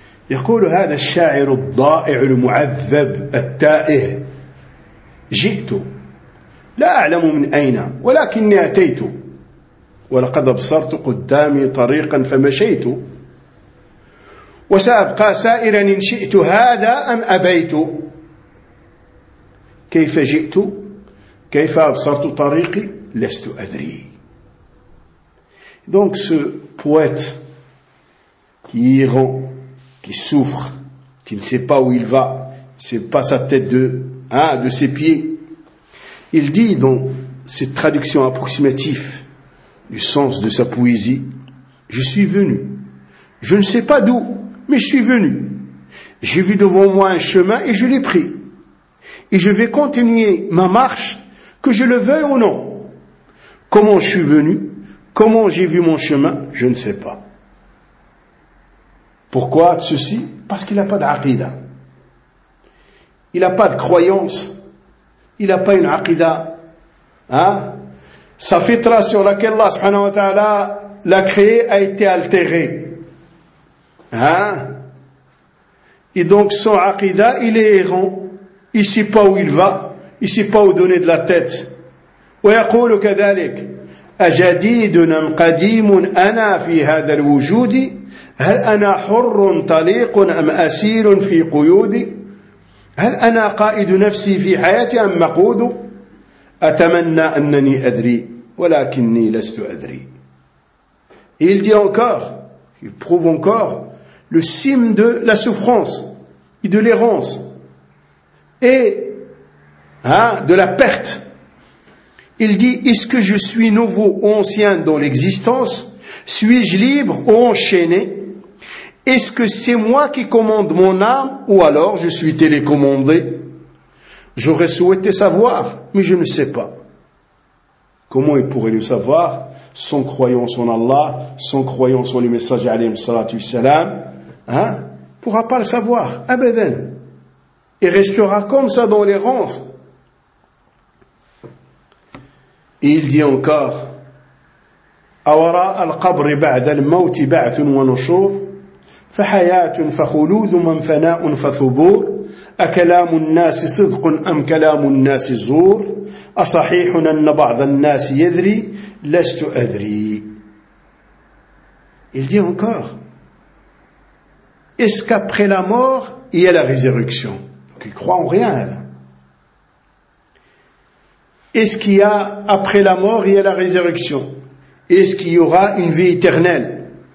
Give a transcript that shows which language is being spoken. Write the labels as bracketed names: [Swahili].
[Arabic] يقول هذا الشاعر الضائع المعذب التائه جئت لا أعلم من أين ولكني أتيت ولقد أبصرت قدامي طريقا فمشيت وسأبقى سائرا إن شئت هذا أم أبيت كيف جئت كيف أبصرت طريقي لست أدري. [French] Donc ce poète qui est errant, qui souffre, qui ne sait pas où il va, c'est pas sa tête de ses pieds, il dit dans cette traduction approximative du sens de sa poésie: je suis venu, je ne sais pas d'où, mais je suis venu, j'ai vu devant moi un chemin et je l'ai pris. Et je vais continuer ma marche, que je le veuille ou non. Comment je suis venu, comment j'ai vu mon chemin, je ne sais pas. Pourquoi ceci? Parce qu'il n'a pas d'aqida. Il n'a pas de croyance. Il n'a pas une aqida. Sa fitra sur laquelle Allah subhanahu wa ta'ala l'a créé a été altérée. Et donc son aqida, il est errant. Il ne sait pas où il va, il ne sait pas où donner de la tête. [Arabic] ويقول كذلك أجديد أم قديم أنا في هذا الوجود هل أنا حر طليق أم أسير في قيودي هل أنا قائد نفسي في حياتي أم مقود أتمنى أنني أدري ولكني لست أدري. [French] Il dit encore, il prouve encore le cime de la souffrance et de l'errance et de la perte. Il dit: est-ce que je suis nouveau ou ancien dans l'existence? Suis-je libre ou enchaîné? Est-ce que c'est moi qui commande mon âme ou alors je suis télécommandé? J'aurais souhaité savoir, mais je ne sais pas. Comment il pourrait le savoir sans croyance en Allah, sans croyance en le messager [Arabic] alayhi salatu salam, [French] hein? Pourra pas le savoir. Abadan. Il restera comme ça dans l'errance. Et il dit encore, [Arabic] أوراء القبر بعد الموت بعث ونشور فحياة فخلود من فناء فثبور أكلام الناس صدق أم كلام الناس زور أصحيح أن بعض الناس يدري لست أدري. [French] Il dit encore, est-ce qu'après la mort il y a la résurrection? Donc il croit en rien là. Est-ce qu'il y a après la mort il y a la résurrection? Est-ce qu'il y aura une vie éternelle?